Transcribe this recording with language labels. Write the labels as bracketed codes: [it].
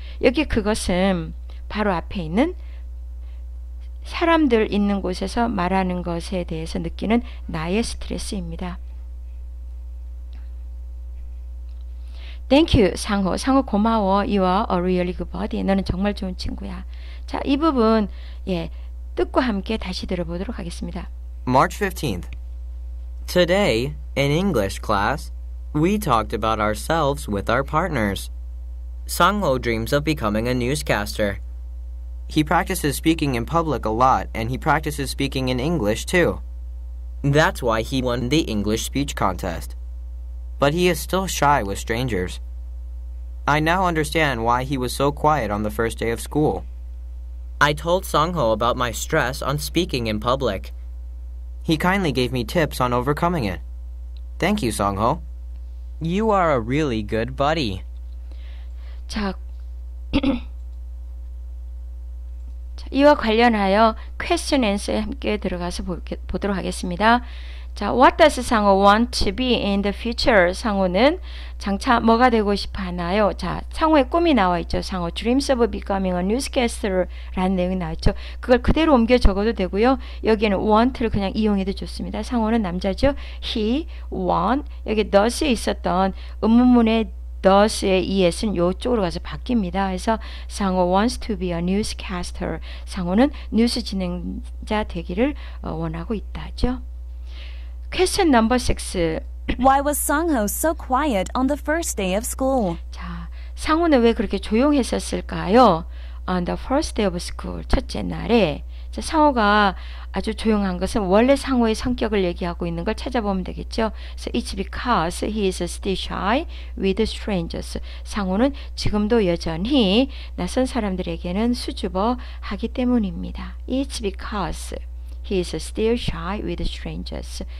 [ko] 여기 그것은 바로 앞에 있는 사람들 있는 곳에서 말하는 것에 대해서 느끼는 나의 스트레스입니다. [en] Thank you, 상호. [ko] 상호 고마워. [en] You are a really good buddy. [ko] 너는 정말 좋은 친구야. 자, 이 부분 예, 뜻과 함께 다시 들어보도록 하겠습니다. [en] March 15th. Today, in English class, we talked about ourselves with our partners. Sang-ho dreams of becoming a newscaster. He practices speaking in public a lot, and he practices speaking in English, too. That's why he won the English speech contest. But he is still shy with strangers. I now understand why he was so quiet on the first day of school. I told Sang-ho about my stress on speaking in public. He kindly gave me tips on overcoming it. Thank you, Sang-ho. You are a really good buddy. [ko] 자, 자, 이와 관련하여 question answer에 함께 들어가서 보도록 하겠습니다. [en] 자, what does 상호 want to be in the future? [ko] 상호는 장차 뭐가 되고 싶어 하나요? 자, 상호의 꿈이 나와 있죠. [en] 상호 dreams of becoming a newscaster라는 [ko] 내용이 나왔죠. 그걸 그대로 옮겨 적어도 되고요. 여기에는 want를 그냥 이용해도 좋습니다. 상호는 남자죠. [en] He want [ko] 여기 does에 있었던 음문문의 does의 es은 이쪽으로 가서 바뀝니다. [en] 그래서 상호 wants to be a newscaster. [ko] 상호는 뉴스 진행자 되기를 원하고 있다죠. [en] Question number 6. Why was Sang-ho so quiet on the first day of school? [ko] 자, 상호는 왜 그렇게 조용했었을까요? [en] On the first day of school, [ko] 첫째 날에. 자, 상호가 아주 조용한 것은 원래 상호의 성격을 얘기하고 있는 걸 찾아보면 되겠죠. [en] So it's because he is still shy with strangers. [ko] 상호는 지금도 여전히 낯선 사람들에게는 수줍어하기 때문입니다. [en] It's because he is still shy with strangers.